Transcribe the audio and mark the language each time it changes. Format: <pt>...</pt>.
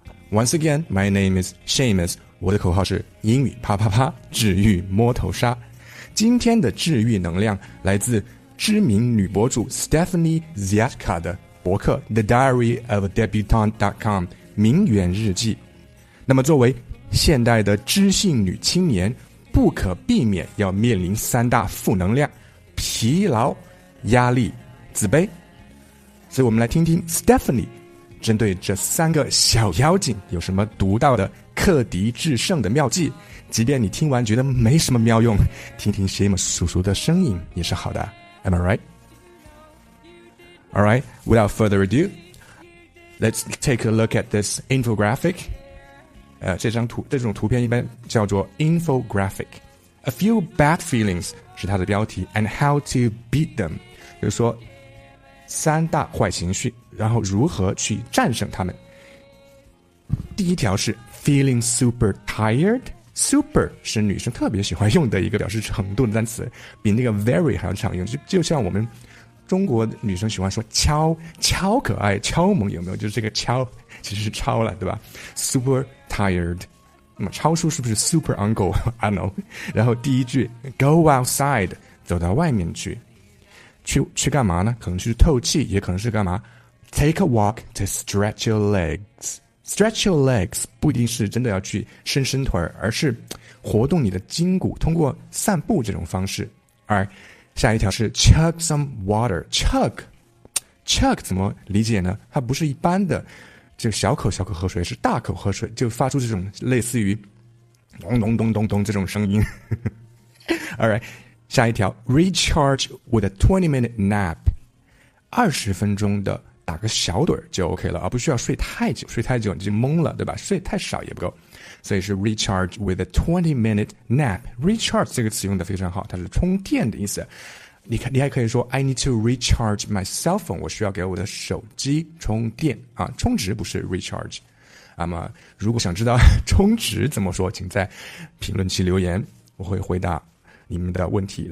<en>Once again, my name is Seamus.</en> <zh>我的口号是英语啪啪啪，治愈摸头杀。今天的治愈能量来自知名女博主 Stephanie Ziatka 的博客 TheDiaryOfADebutante.com 名媛日记。那么作为现代的知性女青年，不可避免要面临三大负能量：疲劳、压力、自卑。所以我们来听听 Stephanie针对这三个小妖精有什么独到的克敌制胜的妙计。即便你听完觉得没什么妙用，听听 Seamus 叔叔的声音也是好的。</zh> <en>Am I right? Alright, without further ado, let's take a look at this infographic.</en> <zh>这种图片一般叫做 infographic.</zh> <en>A few bad feelings</en> <zh>是它的标题，</zh> <en>and how to beat them.</en> <zh>就是说三大坏情绪，然后如何去战胜他们。第一条是</zh> <en>feeling super tired.</en> <zh>Super 是女生特别喜欢用的一个表示程度的单词，比那个 very 还要常用。就像我们中国女生喜欢说超超可爱、超萌，有没有？就是这个超其实是超了，对吧？</zh> <en>super tired。</en> <zh>那么超叔是不是 super uncle?</zh> <en>I don't know.</en> <zh>然后第一句</zh> <en>go outside,</en> <zh>走到外面去。去干嘛呢？可能去透气，也可能是干嘛。</zh> <en>Take a walk to stretch your legs. Stretch your legs</en> <zh>不一定是真的要去伸伸腿，而是活动你的筋骨，通过散步这种方式。而下一条是</zh> <en>chug some water.</en> <zh>Chug 怎么理解呢？它不是一般的就小口小口喝水，是大口喝水，就发出这种类似于咚咚咚咚咚这种声音。</zh> <en>Alright,</en> <zh>下一条</zh> <en>recharge with a 20-minute nap.</en> <zh>20分钟的打个小盹就 OK 了，而不需要睡太久，睡太久你就懵了，对吧？睡太少也不够，所以是</zh> <en>recharge with a 20-minute nap.</en> <zh>Recharge 这个词用的非常好，它是充电的意思。你还可以说</zh> <en>I need to recharge my cell phone,</en> <zh>我需要给我的手机充电啊，充值不是 recharge。那么如果想知道充值怎么说，请在评论区留言，我会回答你们的问题。</zh>